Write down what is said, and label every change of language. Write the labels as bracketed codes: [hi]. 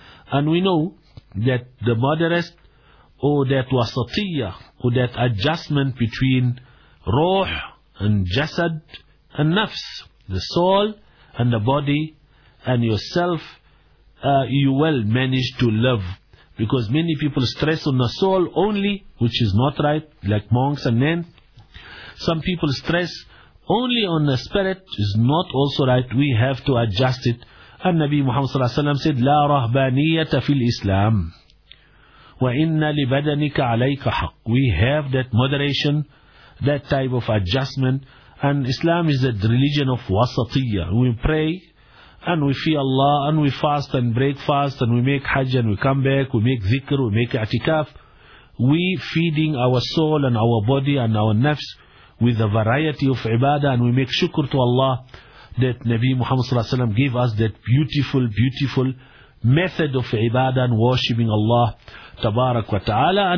[en] And we know that the moderate or that wasatiyah, or that adjustment between ruh and jasad and nafs, the soul and the body and yourself, you will manage to live. Because many people stress on the soul only, which is not right, like monks and men. Some people stress only on the spirit, is not also right. We have to adjust it. And Nabi Muhammad sallallahu alaihi wasallam said, [ar] لا رهبانيه في الاسلام وَإِنَّ لِبَدَنِكَ عَلَيْكَ حَقٍّ. [en] We have that moderation, that type of adjustment. And Islam is a religion of wasatiyah. We pray and we fear Allah and we fast and break fast and we make hajj and we come back, we make dhikr, we make i'tikaf. We feeding our soul and our body and our nafs with a variety of ibadah, and we make shukr to Allah that Nabi Muhammad sallallahu alaihi wasallam gave us that beautiful, beautiful method of ibadah and worshipping Allah tabarak wa ta'ala.